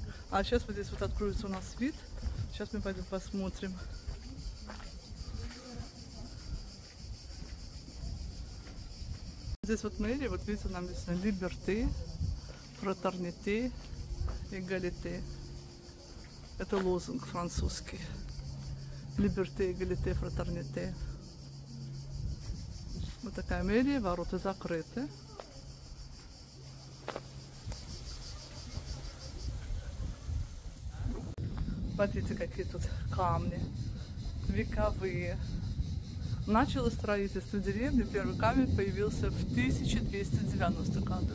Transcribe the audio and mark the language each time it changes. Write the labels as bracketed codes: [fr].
[ru] А сейчас вот здесь вот откроется у нас вид. Сейчас мы пойдем посмотрим. Здесь вот мэрия, вот видите, нам написано [fr] Liberté, Fraternité, Égalité. [ru] Это лозунг французский. [fr] Liberté, Égalité, Fraternité. [ru] Вот такая мэрия, ворота закрыты. Смотрите, какие тут камни вековые. Начало строительство деревни, первый камень появился в 1290 году.